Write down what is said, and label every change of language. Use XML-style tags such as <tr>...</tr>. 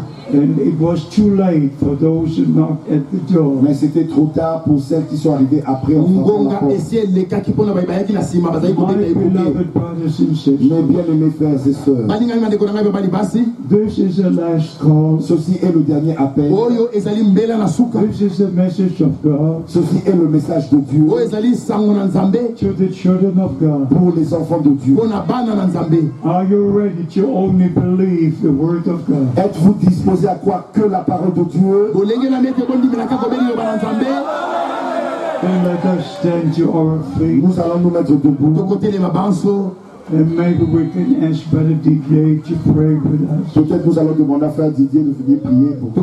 <en>And it was too late for those who knocked at the door.</en> <fr>Mais c'était trop tard pour celles qui sont arrivées après en frappant la porte. Mais bien aimés frères et sœurs.</fr> <en>This is the last call.</en> <fr>Ceci est le dernier appel.</fr> <en>This is the message of God.</en> <fr>Ceci est le message de Dieu.</fr> <en>To the children of God.</en> <fr>Pour les enfants de Dieu.</fr> <en>Are you ready to only believe the word of God?</en> <fr>Êtes-vous disposé à quoi que la parole de Dieu.</fr> <en>And let us stand to our feet.</en> <fr>Nous allons nous mettre debout. De côté les mabanso.</fr> <en>And maybe we can ask Brother Didier to pray with us.</en> <fr>Peut-être nous allons demander à Frère Didier de venir prier pour</fr>